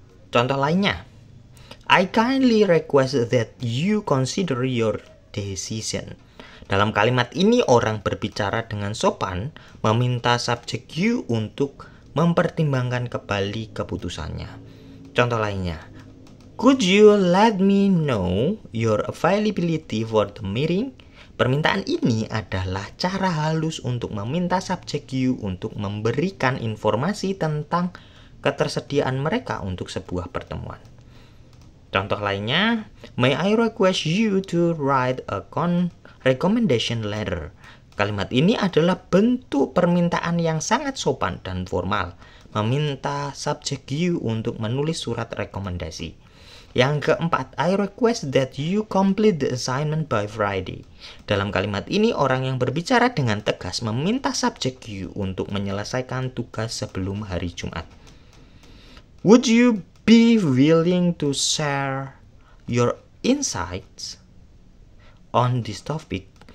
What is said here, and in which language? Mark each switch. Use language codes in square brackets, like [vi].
[id] Contoh lainnya, [en] I kindly request that you consider your decision. [id] Dalam kalimat ini, orang berbicara dengan sopan meminta subjek you untuk mempertimbangkan kembali keputusannya. Contoh lainnya, [en] could you let me know your availability for the meeting? [id] Permintaan ini adalah cara halus untuk meminta subjek you untuk memberikan informasi tentang ketersediaan mereka untuk sebuah pertemuan. Contoh lainnya, [en] may I request you to write a recommendation letter? [id] Kalimat ini adalah bentuk permintaan yang sangat sopan dan formal, meminta subjek you untuk menulis surat rekomendasi. Yang keempat, [en] I request that you complete the assignment by Friday. [id] Dalam kalimat ini, orang yang berbicara dengan tegas meminta subjek you untuk menyelesaikan tugas sebelum hari Jumat. [en] Would you be willing to share your insights on this topic?